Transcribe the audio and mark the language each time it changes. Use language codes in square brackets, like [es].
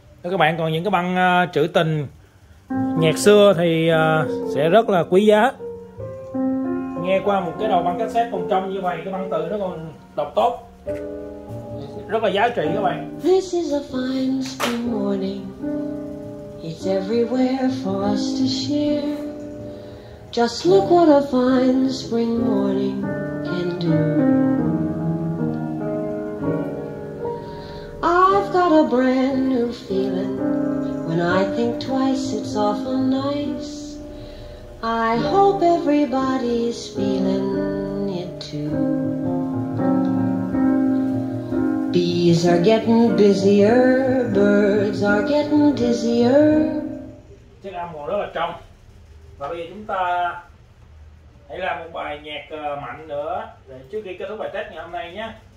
[vi] Các bạn còn những cái băng trữ tình nhạc xưa thì sẽ rất là quý giá. Nghe qua một cái đầu băng cassette còn trong như vậy, cái băng tự nó còn đọc tốt, rất là giá trị các bạn. [en] This is a fine spring morning. It's everywhere for us to share. Just look what a fine spring morning can do. I've got a brand new feeling. When I think twice, it's awful nice. I hope everybody's feeling it too. Bees are getting busier, birds are getting dizzier. [vi] Chiếc âm hồ rất là trong. Và bây giờ chúng ta hãy làm một bài nhạc mạnh nữa để trước khi kết thúc bài test ngày hôm nay nhé.